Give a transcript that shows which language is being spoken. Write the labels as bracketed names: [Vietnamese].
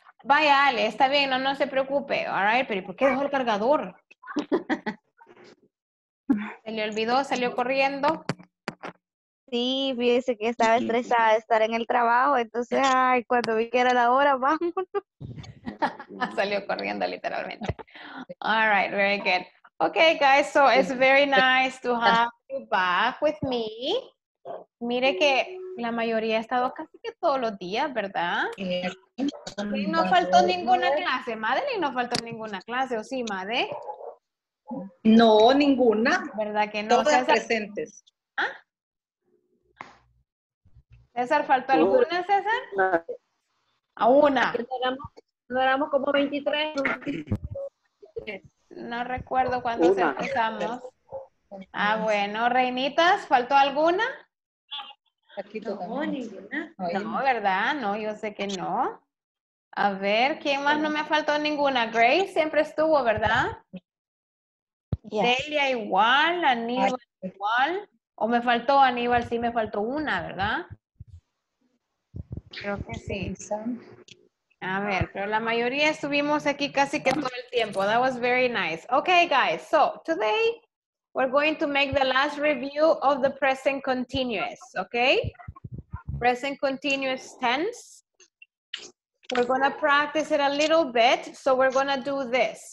[Spanish] Vaya, Ale, está bien, no, no se preocupe. [English] All right, [Spanish] pero ¿por qué dejó el cargador? ¿Se le olvidó? ¿Salió corriendo? Sí, fíjese que estaba estresada de estar en el trabajo, entonces, ay, cuando vi que era la hora, vámonos. Salió corriendo, literalmente. [English] All right, very good. Okay, guys, so it's very nice to have you back with me. [Spanish] Mire que la mayoría ha estado casi que todos los días, ¿verdad? Y no faltó ninguna clase, Madeline, no faltó ninguna clase, ¿o sí, Made? No, ninguna. ¿Verdad que no? Todas César, presentes. ¿Ah? ¿César, faltó alguna, César? A una. No éramos como 23. No recuerdo cuántos empezamos. Ah, bueno, Reinitas, ¿faltó alguna? Aquí no, ninguna. No, ¿verdad? No, yo sé que no. A ver, ¿quién más no me faltó ninguna? Grace siempre estuvo, ¿verdad? Yes. Celia igual, Aníbal igual. O me faltó Aníbal, sí me faltó una, ¿verdad? Creo que sí. A ver, pero la mayoría estuvimos aquí casi que todo el tiempo. [English] That was very nice. Okay, guys, so today we're going to make the last review of the present continuous, okay? Present continuous tense. We're gonna practice it a little bit, so we're gonna do this.